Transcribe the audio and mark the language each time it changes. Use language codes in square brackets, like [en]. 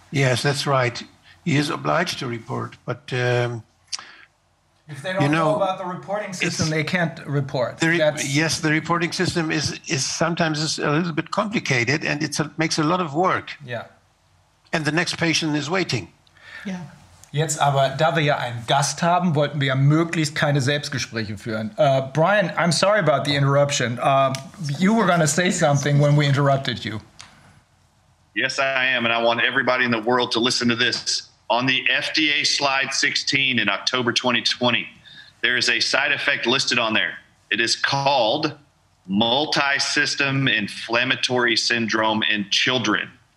[en] Yes, that's right. He is obliged to report, but if they don't know about the reporting system, they can't report. The reporting system is sometimes a little bit complicated, and it makes a lot of work. Yeah. And the next patient is waiting. Yeah. [de] Jetzt aber, da wir ja einen Gast haben, wollten wir ja möglichst keine Selbstgespräche führen. [en] Brian, I'm sorry about the interruption. You were going to say something when we interrupted you. Yes, I am, and I want everybody in the world to listen to this. On the FDA slide 16 in October 2020, there is a side effect listed on there. It is called multisystem inflammatory syndrome in children.